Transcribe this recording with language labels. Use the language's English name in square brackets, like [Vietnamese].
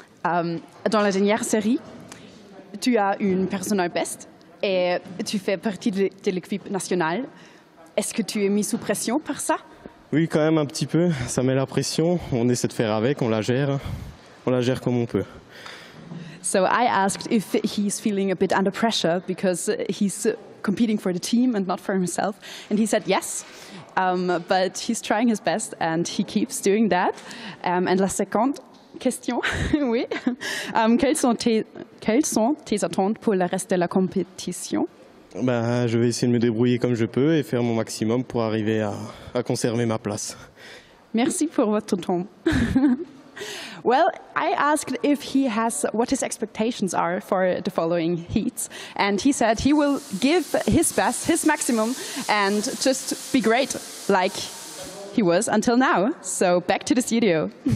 [French] Dans la dernière série, tu as une personal best et tu fais partie de l'équipe nationale. Est-ce que tu es mis sous pression par ça? Oui, quand même un petit peu. Ça met la pression. On essaie de faire avec, on la gère. On la gère comme on peut. [English] So I asked if he's feeling a bit under pressure because he's competing for the team and not for himself. And he said yes, but he's trying his best and he keeps doing that. [French] And la seconde question, oui. Quelles sont tes attentes pour le reste de la compétition? Bah, je vais essayer de me débrouiller comme je peux et faire mon maximum pour arriver à conserver ma place. Merci pour votre temps. [English] Well, I asked if he has what his expectations are for the following heats, and he said he will give his best, his maximum, and just be great like he was until now. So back to the studio.